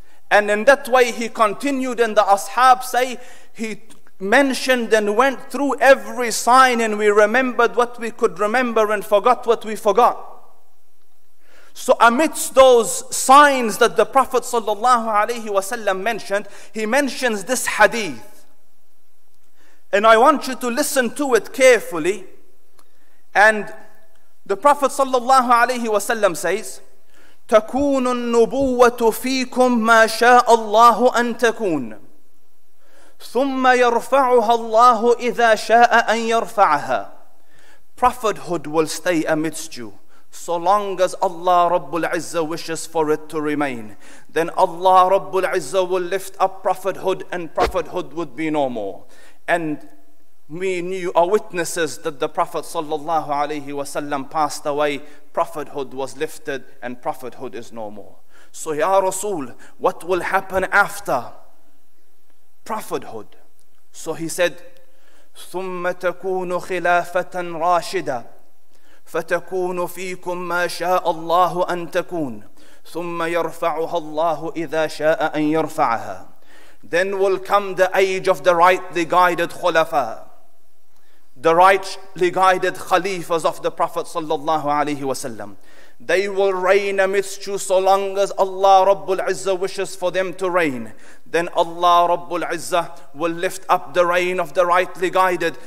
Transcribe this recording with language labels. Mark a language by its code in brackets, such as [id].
[en] And in that way he continued, and the Ashab say he mentioned and went through every sign, and we remembered what we could remember and forgot what we forgot. So amidst those signs that the Prophet sallallahu alaihi wasallam mentioned, he mentions this hadith. And I want you to listen to it carefully. And the Prophet sallallahu alayhi wasallam says, [ar] تَكُونُ النُّبُوَّةُ فِيكُمْ مَا شَاءَ اللَّهُ أَن تَكُونَ ثُمَّ يَرْفَعُهَا اللَّهُ إِذَا شَاءَ أَن يَرْفَعَهَا. [en] Prophethood will stay amidst you so long as Allah Rabbul Izzah wishes for it to remain. Then Allah Rabbul Izzah will lift up prophethood, and prophethood would be no more. And me and you are witnesses that the Prophet sallallahu alayhi wasallam passed away, prophethood was lifted, and prophethood is no more. So ya Rasul, what will happen after prophethood? So he said, [ar] ثُمَّ تَكُونُ خِلَافَةً رَاشِدًا فَتَكُونُ فِيكُمْ مَا شَاءَ اللَّهُ أَن تَكُونَ ثُمَّ يَرْفَعُهَا اللَّهُ إِذَا شَاءَ أَن يَرْفَعَهَا. [en] Then will come the age of the rightly guided khulafa, the rightly guided khalifas of the Prophet sallallahu alaihi wasallam. They will reign amidst you so long as Allah Rabbul Izzah wishes for them to reign. Then Allah Rabbul Izzah will lift up the reign of the rightly guided.